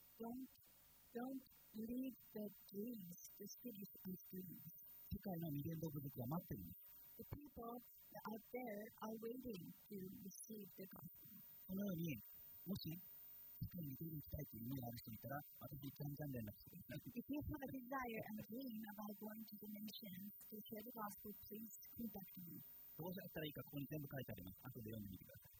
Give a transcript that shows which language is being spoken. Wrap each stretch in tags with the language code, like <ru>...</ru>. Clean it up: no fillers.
<en>Don't leave the dreams to finish these dreams.</en> <ja>世界の未伝道部族は待っています。</ja> <en>The people that are there are waiting to receive the gospel.</en> <ja>このように、もし世界に出ていきたいという夢がある人いたら、私に残念です。</ja> <en>If you have a desire and a dream about going to the nation to share the gospel, please contact me.</en> <ja>どうしたらいいか、ここに全部書いてあります。後で読んでみてください。</ja>